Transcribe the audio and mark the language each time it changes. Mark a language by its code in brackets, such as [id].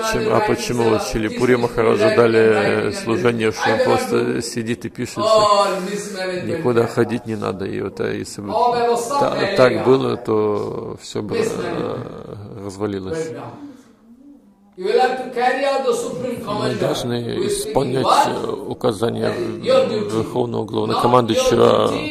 [ru] А почему вот Шрила Пури Махараджу дали служение, что он просто сидит и пишет, никуда ходить не надо. И вот если бы так было, то все бы развалилось. [en] You will have to carry out the supreme commander. [ru] Мы должны исполнять указания Верховного Главнокомандующего.